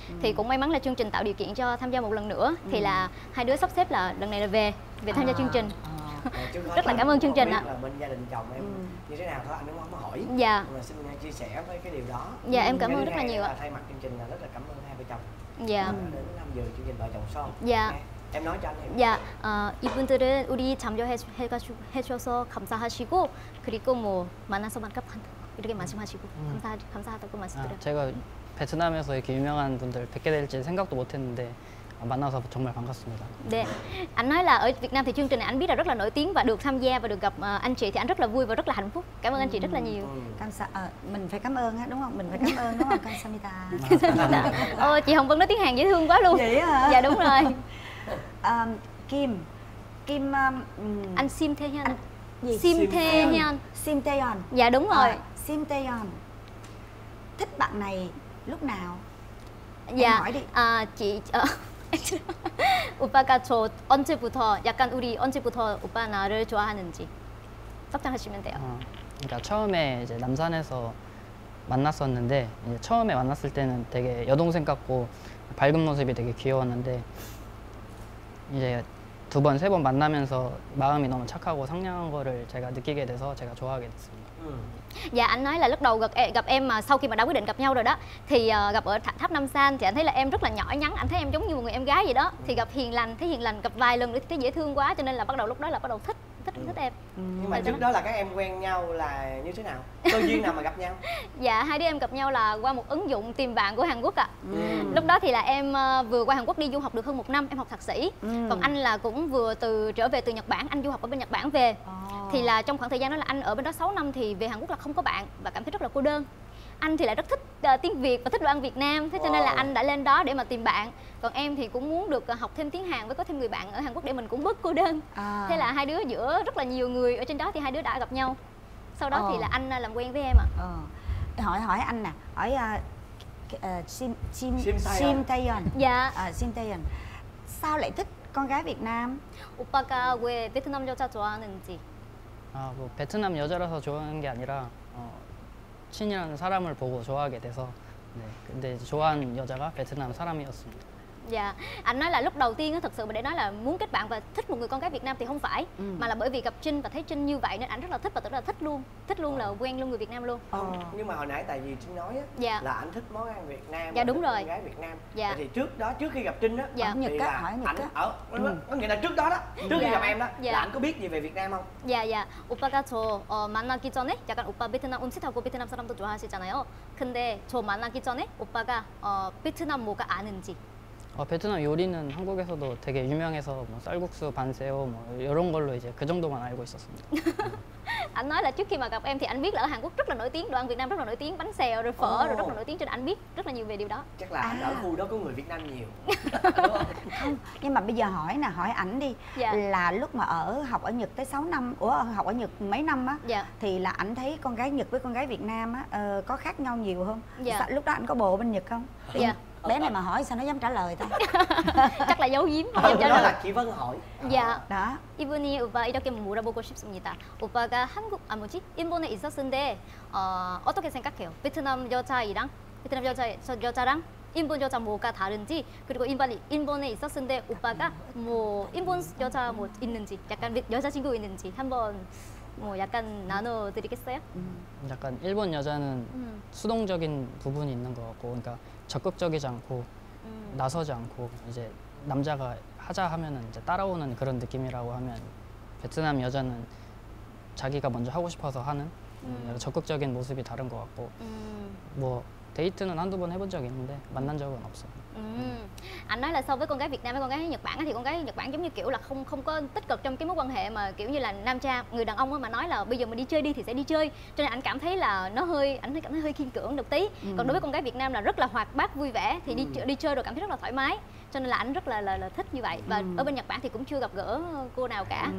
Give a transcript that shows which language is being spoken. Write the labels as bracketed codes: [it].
[vi] Thì cũng may mắn là chương trình tạo điều kiện cho tham gia một lần nữa. Thì là hai đứa sắp xếp là lần này là về tham gia chương trình. Rất là cảm ơn chương trình ạ. Là bên gia đình chồng em như thế nào thôi, anh cũng không có hỏi. Dạ. Mà xin chia sẻ với cái điều đó. Dạ, em cảm ơn rất là nhiều ạ. Thay mặt chương trình là rất là cảm ơn hai vợ chồng. Dạ. Đến năm giờ chương trình Vợ Chồng Son. Dạ. Em nói cho anh hiểu. Dạ. [ko] I분들은 우리 참여해주셔서 감사하시고 그리고 뭐 만나서 반갑한다 이렇게 말씀하시고 감사하다고 말씀드려요. 제가 베트남에서 이렇게 유명한 분들 뵙게 될지 생각도 못했는데. 만나서 정말 반갑습니다. 네. [vi] Anh nói là ở Việt Nam thì chương trình này anh biết là rất là nổi tiếng và được tham gia và được gặp anh chị thì anh rất là vui và rất là hạnh phúc. Cảm ơn anh chị rất là nhiều. Mình phải cảm ơn á, đúng không? Mình phải cảm ơn đúng không? [ko] Kamsahamnida. Kamsahamnida. [vi] Ồ, chị Hồng Vân nói tiếng Hàn dễ thương quá luôn. Vậy hả? Dạ đúng rồi. Kim anh Shim Tae Hyun. Shim Tae Hyun. Shim Tae Hyun. Dạ đúng rồi. Shim Tae Hyun. Thích bạn này lúc nào? Dạ. Em hỏi đi. [ko] Chị Uppa가 저 언제부터 약간 우리 언제부터 오빠 나를 좋아하는지 답장하시면 돼요. 그러니까 처음에 이제 남산에서 만났었는데 이제 처음에 만났을 때는 되게 여동생 같고 밝은 모습이 되게 귀여웠는데 이제 두 번 세 번 만나면서 마음이 너무 착하고 상냥한 거를 제가 느끼게 돼서 제가 좋아하게 됐습니다. [vi] Dạ anh nói là lúc đầu gặp em mà sau khi mà đã quyết định gặp nhau rồi đó thì gặp ở tháp Nam San thì anh thấy là em rất là nhỏ nhắn, anh thấy em giống như một người em gái vậy đó. Thì gặp hiền lành, thấy hiền lành, gặp vài lần nữa thì thấy dễ thương quá, cho nên là bắt đầu lúc đó là bắt đầu thích em. Nhưng mà thì trước đó là các em quen nhau là như thế nào, cơ duyên nào mà gặp nhau? Dạ hai đứa em gặp nhau là qua một ứng dụng tìm bạn của Hàn Quốc ạ. Lúc đó thì là em vừa qua Hàn Quốc đi du học được hơn một năm, em học thạc sĩ. Còn anh là cũng vừa trở về từ Nhật Bản, anh du học ở bên Nhật Bản về. Thì là trong khoảng thời gian đó là anh ở bên đó 6 năm thì về Hàn Quốc là không có bạn và cảm thấy rất là cô đơn. Anh thì lại rất thích tiếng Việt và thích đồ ăn Việt Nam, thế cho nên là anh đã lên đó để mà tìm bạn. Còn em thì cũng muốn được học thêm tiếng Hàn với có thêm người bạn ở Hàn Quốc để mình cũng bớt cô đơn. Thế là hai đứa giữa rất là nhiều người ở trên đó thì hai đứa đã gặp nhau. Sau đó thì là anh làm quen với em ạ. Hỏi anh nè, hỏi Shim Tae Hyun. Dạ. Shim Tae Hyun. Sao lại thích con gái Việt Nam? [ko] 오빠가 왜 베트남 여자 좋아하는지? 아, 뭐 베트남 여자라서 좋아하는 게 아니라 친이라는 사람을 보고 좋아하게 돼서 네, 근데 좋아하는 여자가 베트남 사람이었습니다. [vi] Dạ, anh nói là lúc đầu tiên thật sự mà để nói là muốn kết bạn và thích một người con gái Việt Nam thì không phải, mà là bởi vì gặp Trinh và thấy Trinh như vậy nên anh rất là thích và tức là thích luôn là quen luôn người Việt Nam luôn. Nhưng mà hồi nãy tại vì Trinh nói á, dạ, là anh thích món ăn Việt Nam. Dạ đúng rồi. Con gái Việt Nam. Dạ. Thì trước đó trước khi gặp Trinh á, dạ, thì Nhật là ảnh ở có nghĩa là trước đó đó, trước khi gặp em đó, dạ, là anh có biết gì về Việt Nam không? Dạ dạ. [ko] 오빠가 저 만나기 전에 약간 오빠 베트남 음식 하고 베트남 사람도 좋아하시잖아요. 근데 저 만나기 전에 오빠가 베트남 뭐가 아는지. 베트남 요리는 한국에서도 되게 유명해서 뭐 쌀국수, 반새우 뭐 이런 걸로 이제 그 정도만 알고 있었습니다. [vi] Anh nói là trước khi mà gặp em thì anh biết là ở Hàn Quốc rất là nổi tiếng, đồ ăn Việt Nam rất là nổi tiếng, bánh xèo rồi phở rồi rất là nổi tiếng, cho nên anh biết rất là nhiều về điều đó. Chắc là ở khu đó có người Việt Nam nhiều. Không, nhưng mà bây giờ hỏi nè, hỏi ảnh đi. Dạ. Là lúc mà ở học ở Nhật tới 6 năm, học ở Nhật mấy năm á, dạ, thì là ảnh thấy con gái Nhật với con gái Việt Nam á có khác nhau nhiều không? Dạ. Lúc đó ảnh có bồ bên Nhật không? Dạ. Bé này mà hỏi sao nó dám trả lời ta? Chắc là giấu giếm. Đó là chị Vân hỏi. Dạ. Đó. [ko] 이분이 오빠 이렇게 물어보고 싶습니다. 오빠가 한국 아무지 일본에 있었는데 어떻게 생각해요? 베트남 여자이랑 베트남 여자 저 여자랑 일본 여자 뭐가 다른지 그리고 일본이 일본에 있었는데 오빠가 뭐 일본 여자 뭐 있는지 약간 여자 친구 있는지 한번 뭐 약간 나눠드리겠어요? 약간 일본 여자는 수동적인 부분이 있는 것 같고, 그러니까 적극적이지 않고 나서지 않고 이제 남자가 하자 하면은 이제 따라오는 그런 느낌이라고 하면, 베트남 여자는 자기가 먼저 하고 싶어서 하는 적극적인 모습이 다른 것 같고, 뭐 데이트는 한두 번 해본 적 있는데 만난 적은 없어요. [vi] Anh nói là so với con gái Việt Nam với con gái Nhật Bản thì con gái Nhật Bản giống như kiểu là không có tích cực trong cái mối quan hệ, mà kiểu như là nam cha người đàn ông mà nói là bây giờ mình đi chơi đi thì sẽ đi chơi, cho nên anh cảm thấy là anh cảm thấy hơi khiên cưỡng được tí. Còn đối với con gái Việt Nam là rất là hoạt bát vui vẻ thì đi chơi rồi cảm thấy rất là thoải mái, cho nên là anh rất là thích như vậy. Và ở bên Nhật Bản thì cũng chưa gặp gỡ cô nào cả.